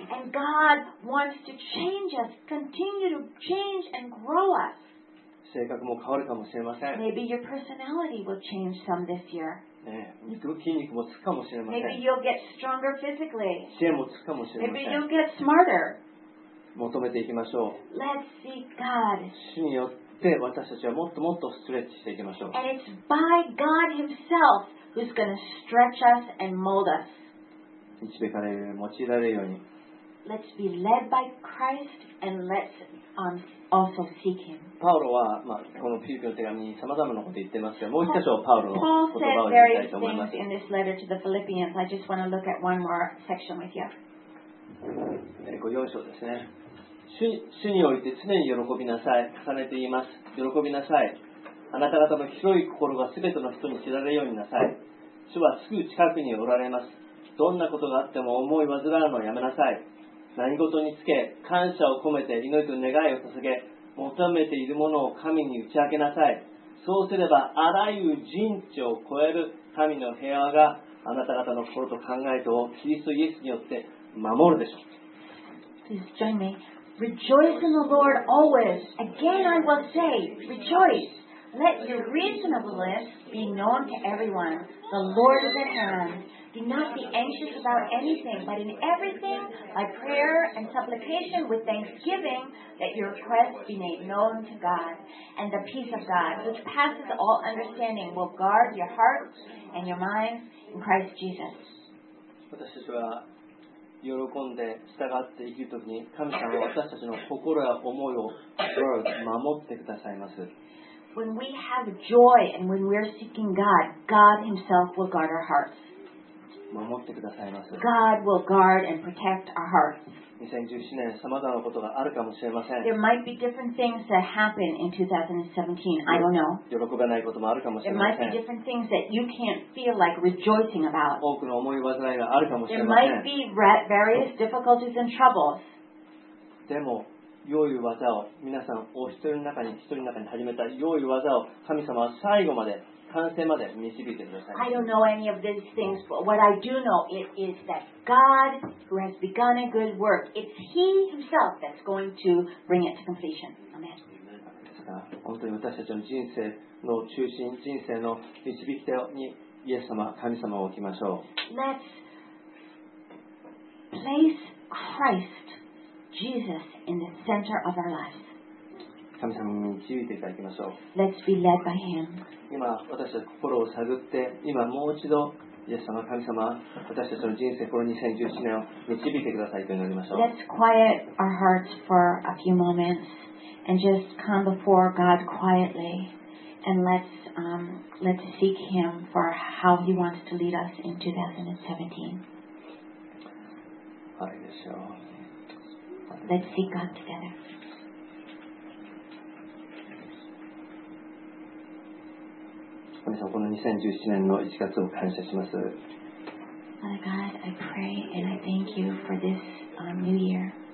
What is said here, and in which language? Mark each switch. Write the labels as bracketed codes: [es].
[en] And God wants to change us, continue to change and grow us. [ja] 性格も変わるかもしれません。 [en] Maybe your personality will change some this year. [ja] ね、筋肉もつくかもしれません。 [en] Maybe you'll get stronger physically. [ja] 知恵もつくかもしれません。 [en] Maybe you'll get smarter. [ja] 求めていきましょう。 [en] Let's seek God. [ja] 主によって私たちはもっともっとストレッチしていきましょう。 [en] And it's by God Himself who's going to stretch us and mold us. [ja] 導かれるように、用いられるように。 [en] Let's be led by Christ and let's also seek Him. [ja] パウロは、まあ、このフィリピの手紙にさまざまなことを言ってますけど、もう一箇所パウロの言葉を言いたいと思います。 [en] Paul said various things in this letter to the Philippians. I just want to look at one more section with you. [ja] 4章ですね。主において常に喜びなさい。重ねて言います。喜びなさい。あなた方の広い心が全ての人に知られるようになさい。主はすぐ近くにおられます。どんなことがあっても思い煩うのをやめなさい。何事につけ感謝を込めて祈りと願いを捧げ、求めているものを神に打ち明けなさい。そうすればあらゆる人知を超える神の平和があなた方の心と考えとをキリストイエスによって守るでしょう。 [en] Please join me. Rejoice in the Lord always. Again I will say, rejoice. Let your reasonableness be known to everyone. The Lord is at hand. Do not be anxious about anything, but in everything, by prayer and supplication with thanksgiving, let your requests be made known to God. And the peace of God, which passes all understanding, will guard your hearts and your minds. In Christ Jesus. [ja] 私たちは喜んで従って生きるときに神様は私たちの心や思いを守ってくださいます。 [en] When we have joy and when we are seeking God, God Himself will guard our hearts. [ja] 守ってくださいます。 [en] God will guard and protect our hearts. [ja] 2017年さまざまなことがあるかもしれません。 [en] There might be different things that happen in 2017. I don't know. [ja] 喜べないこともあるかもしれません。 [en] There might be different things that you can't feel like rejoicing about. [ja] 多くの思い煩いがあるかもしれません。 [en] There might be various difficulties and troubles. [ja] でも良い技を皆さんお一人の中に始めた良い技を神様は最後まで完成まで導いてください。 [en] I don't know any of these things, but what I do know it is that God, who has begun a good work, it's He Himself that's going to bring it to completion. Amen. [ja] 本当に私たちの人生の中心、人生の導き手にイエス様、神様を置きましょう。 [en] Let's place Christ, Jesus, in the center of our lives. [ja] 神様に導いていただきましょう。 [en] Let's be led by him. [ja] 今私たち心を探って、今もう一度イエス様、神様、私たちの人生、この2017年を導いてくださいと祈りましょう。 [en] Let's quiet our hearts for a few moments and just come before God quietly and let's seek him for how he wants to lead us in 2017. [ja] はい、でしょう。 [en] Let's seek God together. [ja] 神様、この2017年の1月を感謝します。 [en] Father God, I pray and I thank you for this new year.